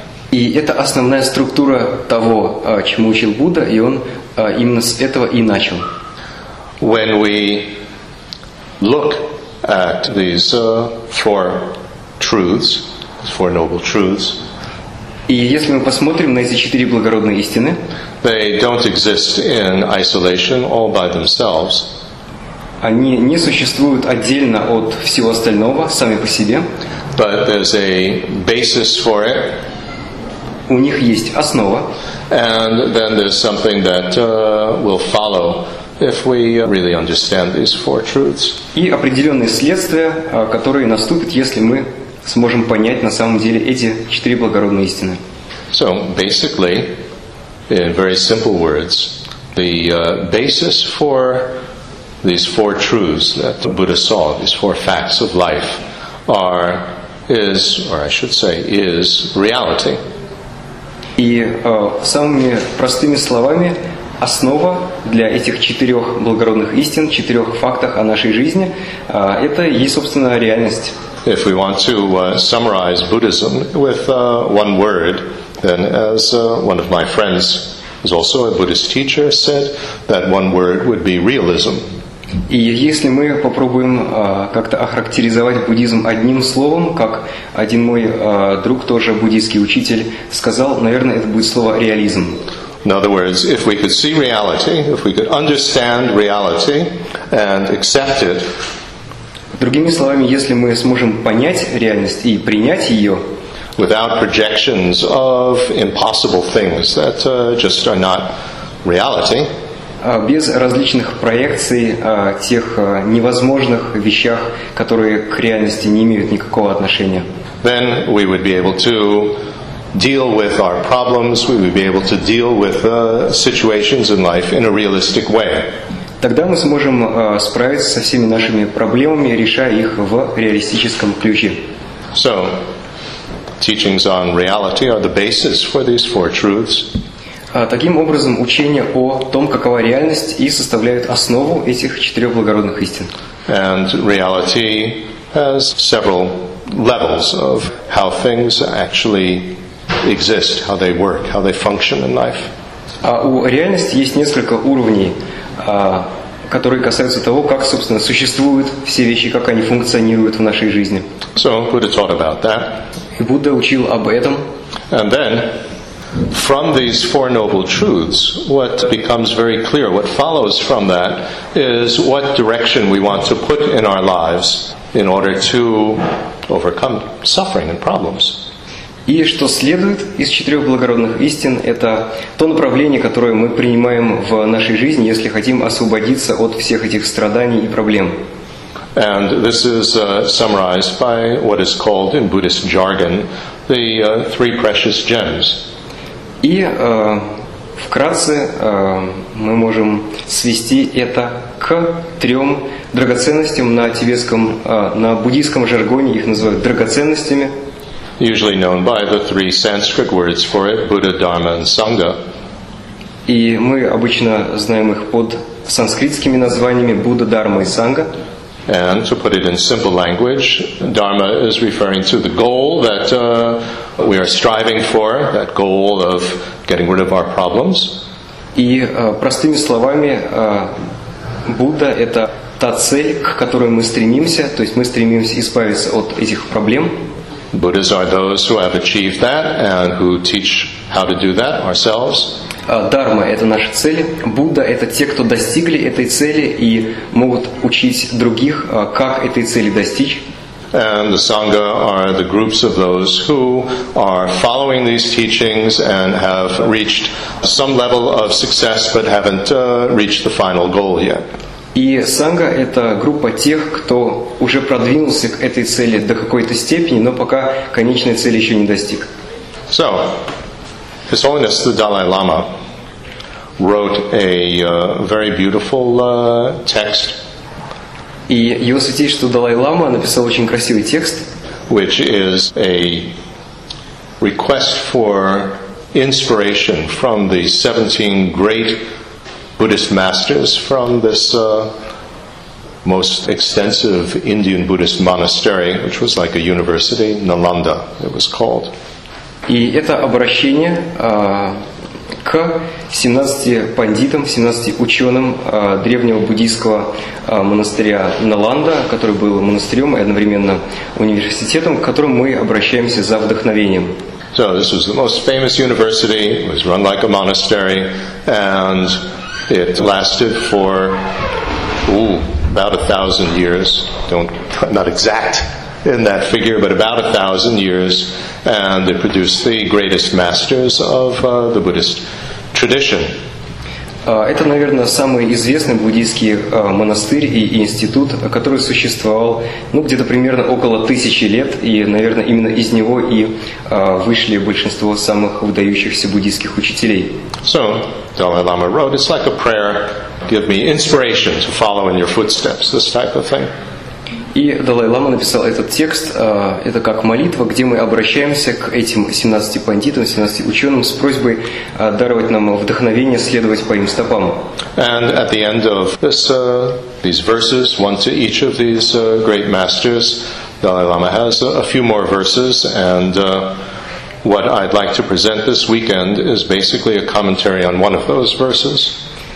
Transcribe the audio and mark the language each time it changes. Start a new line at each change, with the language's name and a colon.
Russian: И это основная структура того, чему учил Будда, и он именно с этого и начал.
English: When we look at these four truths, four noble truths,
Russian: и если мы посмотрим на эти четыре благородные истины,
English: they don't exist in isolation all by themselves.
Russian: Они не существуют отдельно от всего остального сами по себе.
English: But there's a basis for it.
Russian: У них есть основа.
English: And then there's something that will follow if we really understand these four truths.
Russian: И определенные следствия, которые наступят, если мы сможем понять на самом деле эти четыре благородные истины.
English: So basically, in very simple words, the basis for these four truths that the Buddha saw, these four facts of life, is reality.
Russian: И самыми простыми словами, основа для этих четырех благородных истин, четырех фактов о нашей жизни, это и, собственно, реальность.
English: If we want to summarize Buddhism with one word, then as one of my friends, who's also a Buddhist teacher, said, that one word would be realism.
Russian: И если мы попробуем как-то охарактеризовать буддизм одним словом, как один мой друг, тоже буддийский учитель, сказал, наверное, это будет слово реализм.
English: In other words, if we could see reality, if we could understand reality and accept it.
Russian: Другими словами, если мы сможем понять реальность и принять ее.
English: Without projections of impossible things that just are not reality.
Russian: Без различных проекций тех невозможных вещах, которые к реальности не имеют никакого отношения.
English: Then we would be able to deal with our problems, we would be able to deal with situations in life in a realistic way.
Russian: Тогда мы сможем справиться со всеми нашими проблемами, решая их в реалистическом ключе.
English: So, teachings on reality are the basis for these four truths.
Russian: Таким образом, учения о том, какова реальность, и составляют основу этих четырех благородных истин.
English: And reality has several levels of how things actually exist, how they work, how they function in life.
Russian: У реальности есть несколько уровней, которые касаются того, как, собственно, существуют все вещи, как они функционируют в нашей жизни.
English: So Buddha taught about that.
Russian: И Будда учил об этом.
English: And then, from these four noble truths, what becomes very clear, what follows from that, is what direction we want to put in our lives in order to overcome suffering and problems.
Russian: И что следует из четырех благородных истин, это то направление, которое мы принимаем в нашей жизни, если хотим освободиться от всех этих страданий и проблем.
English: And this is summarized by what is called in Buddhist jargon the three precious gems.
Russian: И вкратце мы можем свести это к трем драгоценностям на тибетском, на буддийском жаргоне их называют драгоценностями.
English: Usually known by the three Sanskrit words for it, Buddha, Dharma, and Sangha.
Russian: И мы обычно знаем их под санскритскими названиями Будда, Дхарма и Санга.
English: And to put it in simple language, Dharma is referring to the goal that we are striving for, that goal of getting rid of our problems.
Russian: И простыми словами, Будда — это та цель, к которой мы стремимся, то есть мы стремимся избавиться от этих проблем.
English: Buddhas are those who have achieved that and who teach how to do that ourselves.
Russian: Дхарма — это наша цель. Будда — это те, кто достигли этой цели и могут учить других, как этой цели достичь.
English: And the Sangha are the groups of those who are following these teachings and have reached some level of success but haven't reached the final goal yet.
Russian: И Санга — это группа тех, кто уже продвинулся к этой цели до какой-то степени, но пока конечной цели еще не достиг.
English: So, His Holiness the Dalai Lama wrote a very beautiful text.
Russian: И Его Святейшество Далай Лама написал очень красивый текст,
English: which is a request for inspiration from the 17 great Buddhist masters from this most extensive Indian Buddhist monastery, which was like a university, Nalanda, it was called.
Russian: И это обращение к 17 пандитам, 17 ученым древнего буддийского монастыря Наланда, который был монастырем и одновременно университетом, к которому мы обращаемся за вдохновением.
English: So this was the most famous university. It was run like a monastery, and it lasted for about 1,000 years. Not exact in that figure, but about 1,000 years, and it produced the greatest masters of the Buddhist tradition.
Russian: Это, наверное, самый известный буддийский монастырь и институт, который существовал, где-то примерно около 1000 лет, и, наверное, именно из него и вышли большинство самых выдающихся буддийских учителей.
English: So, Dalai Lama wrote, it's like a prayer, give me inspiration to follow in your footsteps, this type of thing.
Russian: И Далай-Лама написал этот текст, это как молитва, где мы обращаемся к этим 17 пандитам, 17 ученым с просьбой даровать нам вдохновение следовать по им стопам.
English: And at the end of this, these verses, one to each of these great masters, Далай-Лама has a few more verses, and what I'd like to present this weekend is basically a commentary on one of those verses.